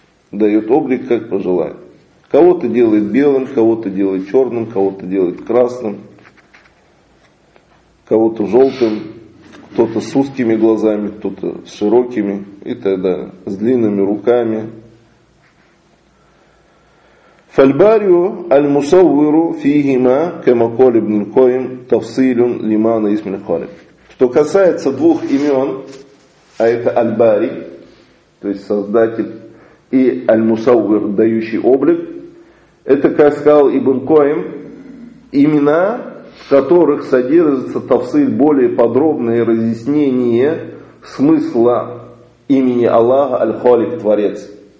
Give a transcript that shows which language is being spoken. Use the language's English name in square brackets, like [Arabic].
[Russian] Дает облик, как пожелает. Кого-то делает белым, кого-то делает черным, кого-то делает красным, кого-то желтым, кто-то с узкими глазами, кто-то с широкими и так далее, с длинными руками. [Arabic] فالباريو المصور فيهما كما قال ابن القيم تفصيل لمعنى اسم الخالق. [Russian] Что касается двух имен, а это Аль-Бари, то есть создатель, и Аль-Мусавир, дающий облик, это, как сказал ибн Койм, имена, в которых содержится тафсиль, более подробное разъяснение смысла имени Аллаха Аль-Халик, Творец.